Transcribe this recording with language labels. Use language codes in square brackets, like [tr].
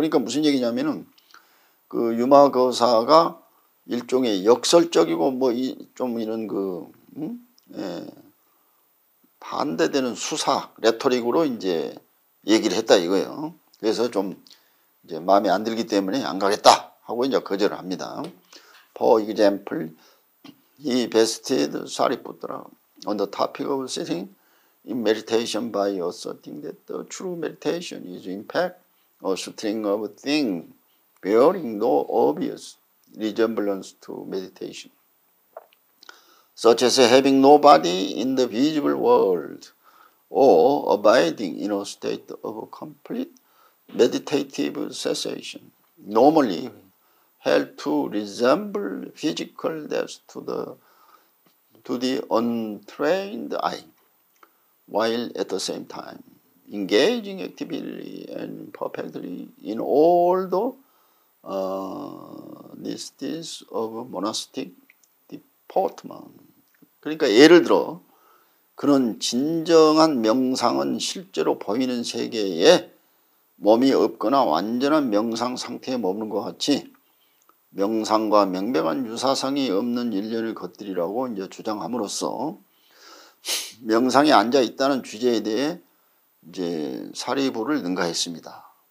[ko] 그러니까 무슨 얘기냐면은 그 유마 거사가 일종의 역설적이고 뭐 이 좀 이런 그 반대되는 수사 레토릭으로 이제 얘기를 했다 이거예요. 그래서 좀 이제 마음에 안 들기 때문에 안 가겠다 하고 이제 거절을 합니다. [en] For example, he bested Sariputra on the topic of sitting in meditation by asserting that the true meditation is in fact a string of things bearing no obvious resemblance to meditation, such as having no body in the visible world or abiding in a state of complete meditative cessation, normally held to resemble physical death to the untrained eye, while at the same time engaging actively and perfectly in all the niceties of monastic deportment. [ko] 그러니까 예를 들어 그런 진정한 명상은 실제로 보이는 세계에 몸이 없거나 완전한 명상 상태에 머무는 것 같이 명상과 명백한 유사성이 없는 일련의 것들이라고 이제 주장함으로써 명상에 앉아 있다는 주제에 대해 이제 사리부를 능가했습니다.